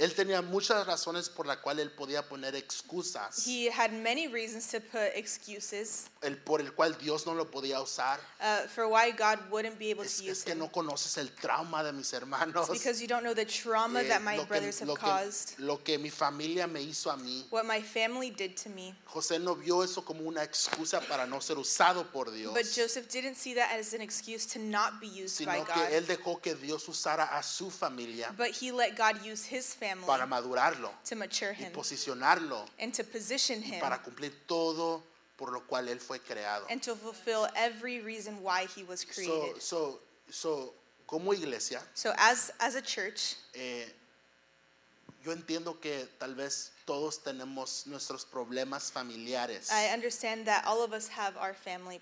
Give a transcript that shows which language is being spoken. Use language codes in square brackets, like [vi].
[es] Él tenía muchas razones por la cual él podía poner excusas. [en] He had many reasons to put excuses. [es] El por el cual Dios no lo podía usar. [en] For why God wouldn't be able to use him. [es] Es que no conoces el trauma de mis hermanos. [en] It's because you don't know the trauma that my brothers have caused. [es] Lo que mi familia me hizo a mí. [en] What my family did to me. [es] José no vio eso como una excusa para no ser usado por Dios. [en] But Joseph didn't see that as an excuse to not be used by God. [es] Sino que él dejó que Dios usara a su familia. [en] But he let God use his family [es] para madurarlo, [en] to mature him [es] y posicionarlo, [en] and to position him [es] y para cumplir todo por lo cual él fue creado, [en] and to fulfill every reason why he was created. [es] So como iglesia, [en] so as a church, [es] yo entiendo que tal vez todos tenemos nuestros problemas familiares. [en] I understand that all of us have our family